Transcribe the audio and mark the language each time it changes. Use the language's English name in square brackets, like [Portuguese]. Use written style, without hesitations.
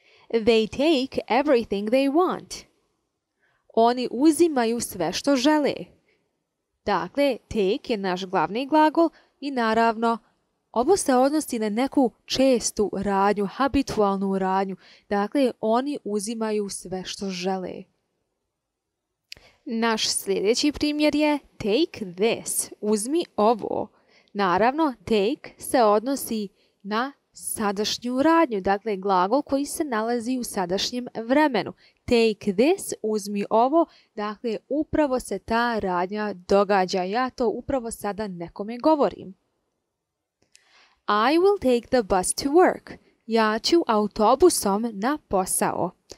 [English] They take everything they want. [Croatian] Oni uzimaju sve što žele. Dakle, take je naš glavni glagol i naravno, ovo se odnosi na neku čestu radnju, habitualnu radnju. Dakle, oni uzimaju sve što žele. Naš sljedeći primjer je [English] take this, [Croatian] uzmi ovo. Naravno, take se odnosi na sadašnju radnju, dakle glagol koji se nalazi u sadašnjem vremenu. [English] Take this, [Croatian] uzmi ovo, dakle upravo se ta radnja događa. Ja to upravo sada nekome govorim. [English] I will take the bus to work. [Croatian] Ja ću autobusom na posao.